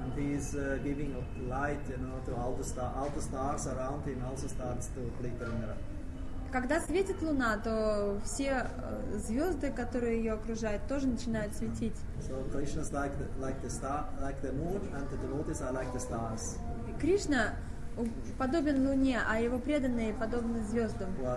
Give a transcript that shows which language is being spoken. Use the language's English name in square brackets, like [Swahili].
[English] He is giving light, you know, to all the stars. All the stars around him also starts to glitter. [Russian] Когда светит луна, то все звезды, которые ее окружают, тоже начинают светить. [English] So Krishna is like the star, like the moon, and the devotees are like the stars. [Russian] Кришна подобен луне, а его преданные подобны звездам.